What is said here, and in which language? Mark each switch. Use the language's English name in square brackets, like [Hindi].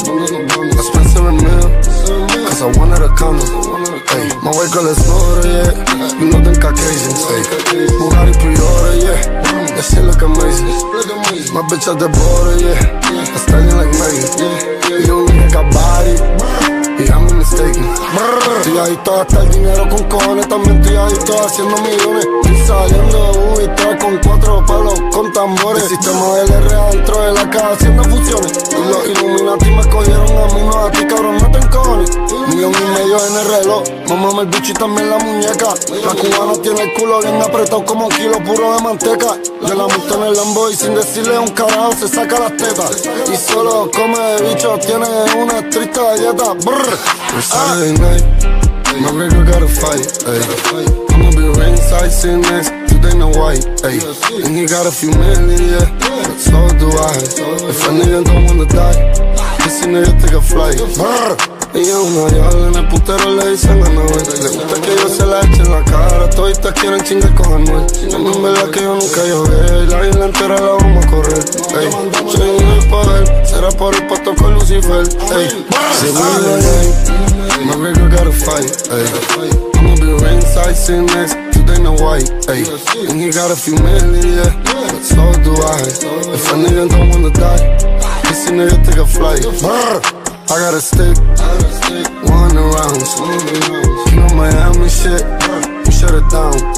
[English] I spent 7 mil, cause I wanted a condo. Hey, my white girl is older, yeah. You know them Caucasians, hey. Bugatti pre-order, yeah. That shit look amazing. My bitch at the border, yeah. I standing like Megan. You don't need a body. Yeah, I'm mistaken. [Spanish] Estoy adicto a gastar dinero con cojones. También estoy adicto a haciendo millones. Y saliendo de un y tres con cuatro palos con tambores. El sistema del R adentro de la caja haciendo funciones. Y los Illuminati me cogieron a mí, no a ti, cabrón, no te encojones. Millón y medio en el reloj. Mámame el bicho y también la muñeca. La cubana tiene el culo bien apretado como kilo puro de manteca. Yo la monto en el Lambo y sin decirle un carajo se saca las tetas. Y solo come de bicho, tiene una triste galleta. [English] It's Saturday night, my girl got a fight, ayy. I'ma be ringside sitting next to Dana White, ayy. And he got a few million, yeah, but so do I. If a nigga don't wanna die, this nigga take a flight. [Spanish] Ella es una diabla, en el putero le dicen a Noel. Le gusta que yo se la eche en la cara. Toditas quieren chingar con Anuel. No es verdad que yo nunca lloré. La isla entera la vamos a correr. Ey, soy un hijo pa' él. Será por el pato con Lucifer. [English] Ey, [Spanish] se va a ir. [English] My girl got a fight. Ey, I'ma be ringside sitting next to Dana White. Ey, and he got a few million, yeah. But so do I. If a nigga don't wanna die, this nigga take a flight. I got a stick, one around. You know Miami shit, we shut it down.